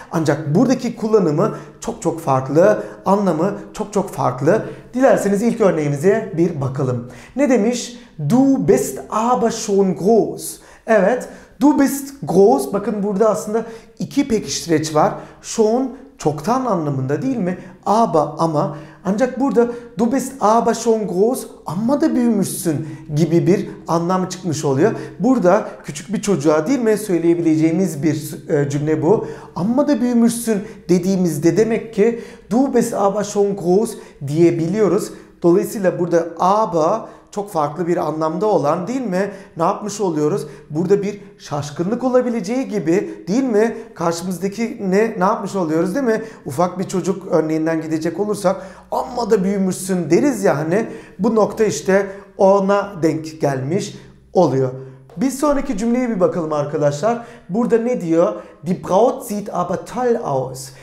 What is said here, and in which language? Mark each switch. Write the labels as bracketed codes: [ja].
[tr] Ancak buradaki kullanımı çok çok farklı. Anlamı çok çok farklı. Dilerseniz ilk örneğimize bir bakalım. Ne demiş? [de] Du bist aber schon groß. [tr] Evet. [de] Du bist groß. [tr] Bakın burada aslında iki pekiştireç var. Schon çoktan anlamında değil mi? Aber ama. Ancak burada [de] du bist aber schon groß. [tr] Ama da büyümüşsün gibi bir anlam çıkmış oluyor. Burada küçük bir çocuğa değil mi söyleyebileceğimiz bir cümle bu. Ama da büyümüşsün dediğimizde demek ki [de] du bist aber schon groß [tr] diyebiliyoruz. Dolayısıyla burada aber çok farklı bir anlamda olan değil mi? Ne yapmış oluyoruz? Burada bir şaşkınlık olabileceği gibi değil mi? Karşımızdaki ne yapmış oluyoruz değil mi? Ufak bir çocuk örneğinden gidecek olursak amma da büyümüşsün deriz ya hani. Bu nokta işte ona denk gelmiş oluyor. Bir sonraki cümleye bir bakalım arkadaşlar. Burada ne diyor? [de] Die Braut sieht aber toll aus.